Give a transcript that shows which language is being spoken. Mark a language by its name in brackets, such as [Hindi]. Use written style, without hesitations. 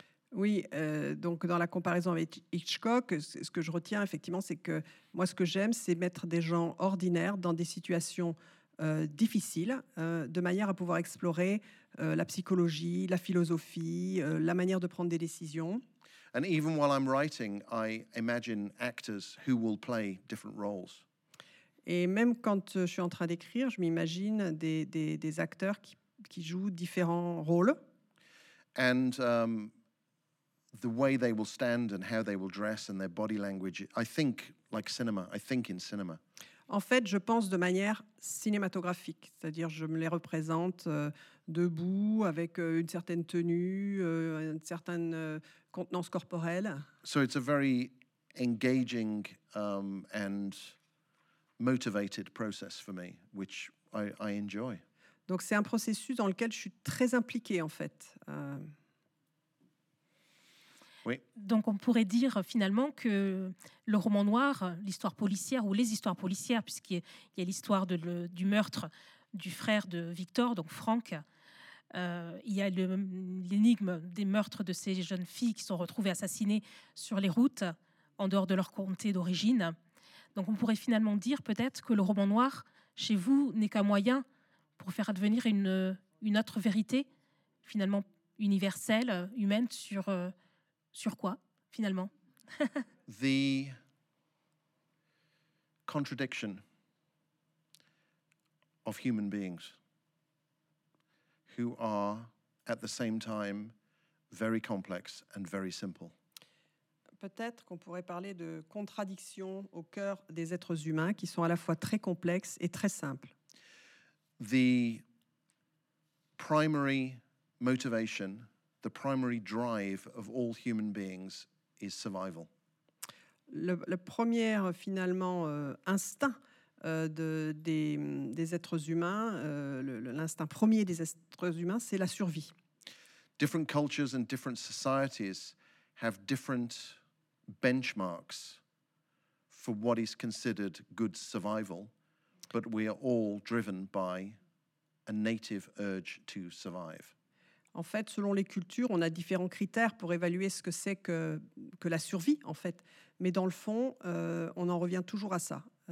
[French] Oui, donc dans la comparaison avec Hitchcock, ce que je retiens effectivement, c'est que moi, ce que j'aime, c'est mettre des gens ordinaires dans des situations difficiles, de manière à pouvoir explorer la psychologie, la philosophie, la manière de prendre des décisions. [English] And even while I'm writing, I imagine actors who will play different roles. [French] Et même quand je suis en train d'écrire, je m'imagine des acteurs qui jouent différents rôles. [English] And the way they will stand and how they will dress and their body language, I think like cinema. I think in cinema. [French] En fait, je pense de manière cinématographique, c'est-à-dire je me les représente debout, avec une certaine tenue, une certaine contenance corporelle. [English] So it's a very engaging and motivated process for me, which I enjoy. [French] Donc c'est un processus dans lequel je suis très impliquée, en fait. Oui. Donc on pourrait dire finalement que le roman noir, l'histoire policière ou les histoires policières, puisqu'il y a l'histoire du meurtre du frère de Victor, donc Frank, il y a l'énigme des meurtres de ces jeunes filles qui sont retrouvées assassinées sur les routes en dehors de leur comté d'origine. Donc on pourrait finalement dire peut-être que le roman noir, chez vous, n'est qu'un moyen pour faire advenir une autre vérité finalement universelle, humaine, sur... Sur quoi, finalement? [English] The contradiction of human beings who are at the same time very complex and very simple. [French] Peut-être qu'on pourrait parler de contradiction au cœur des êtres humains qui sont à la fois très complexes et très simples. [English] The primary motivation, the primary drive of all human beings is survival. [French] Le premier, finalement, instinct des êtres humains, l'instinct premier des êtres humains, c'est la survie. [English] Different cultures and different societies have different benchmarks for what is considered good survival, but we are all driven by a native urge to survive. [French] En fait, selon les cultures, on a différents critères pour évaluer ce que c'est que la survie, en fait. Mais dans le fond, on en revient toujours à ça.